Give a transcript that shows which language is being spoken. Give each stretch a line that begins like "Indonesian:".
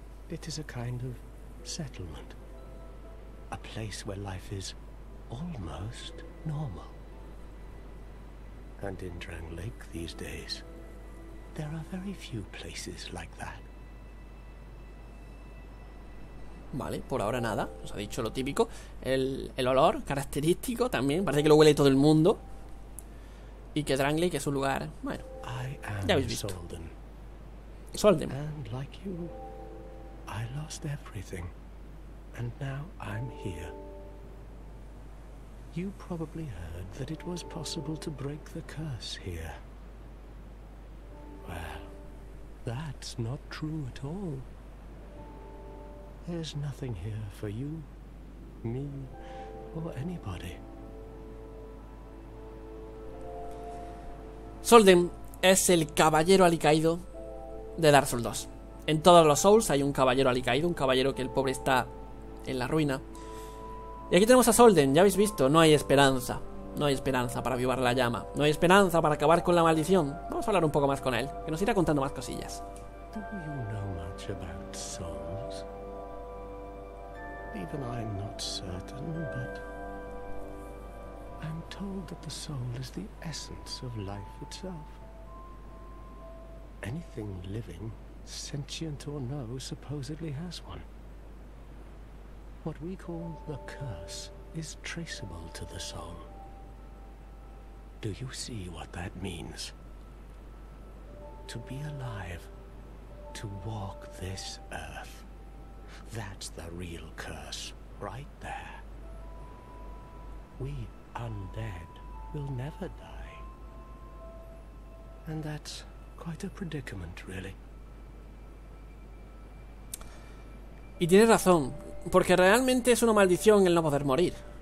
English: It is a kind of settlement. A place where life is almost normal. And in Dranglake these days, there are very few places like that.
Spanish: Vale, por ahora nada. Nos ha dicho lo típico. El olor característico también. Parece que lo huele todo el mundo. Y que Dranglake es un lugar... Bueno, ya habéis visto. Solden. Solden.
English: And like you, I lost everything. And now I'm here. You probably heard that it was possible to break the curse here. Well, that's not true at all. There's nothing here for you, me, or anybody.
Spanish: Solden es el caballero alicaído de Dark Souls 2. En todos los Souls hay un caballero alicaído, un caballero que el pobre está... en la ruina. Y aquí tenemos a Solden, ya habéis visto, no hay esperanza. No hay esperanza para avivar la llama. No hay esperanza para acabar con la maldición. Vamos a hablar un poco más con él, que nos irá contando más cosillas.
English: Do you know much about souls? Even I'm not certain, but I'm told that the soul is the essence of life itself. Anything living, sentient or no, supposedly has one. What we call the curse is traceable to the soul. Do you see what that means? To be alive, to walk this earth. That's the real curse, right there. We undead will never die. And that's quite a predicament, really.
Spanish: Y tiene razón. Porque realmente es una maldición el no poder morir.